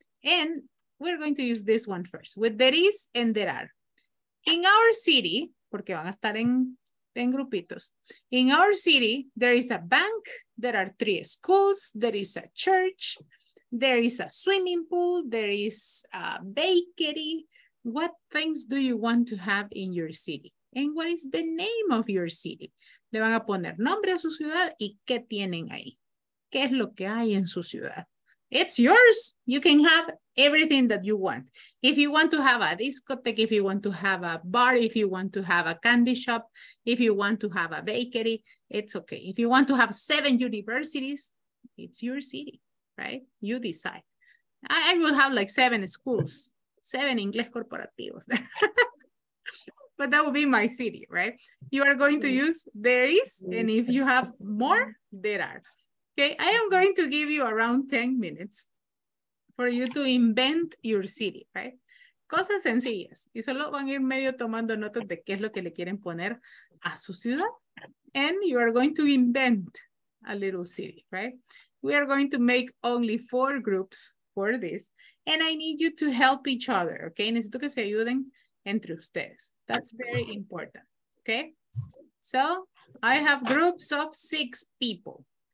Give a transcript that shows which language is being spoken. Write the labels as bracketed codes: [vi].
[en] And we're going to use this one first, with there is and there are. In our city, [es] porque van a estar en en grupitos. [en] In our city, there is a bank, there are three schools, there is a church, there is a swimming pool, there is a bakery. What things do you want to have in your city? And what is the name of your city? [es] Le van a poner nombre a su ciudad y qué tienen ahí. ¿Qué es lo que hay en su ciudad? [en] It's yours. You can have everything that you want. If you want to have a discotheque, if you want to have a bar, if you want to have a candy shop, if you want to have a bakery, it's okay. If you want to have 7 universities, it's your city, right? You decide. I will have like 7 schools, 7 Ingles corporativos. But that would be my city, right? You are going to use there is, and if you have more, there are. Okay, I am going to give you around 10 minutes for you to invent your city, right? [es] Cosas sencillas. Y solo van a ir medio tomando notas de qué es lo que le quieren poner a su ciudad. [en] And you are going to invent a little city, right? We are going to make only 4 groups for this. And I need you to help each other, okay? [es] Necesito que se ayuden entre ustedes. [en] That's very important, okay? So I have groups of 6 people.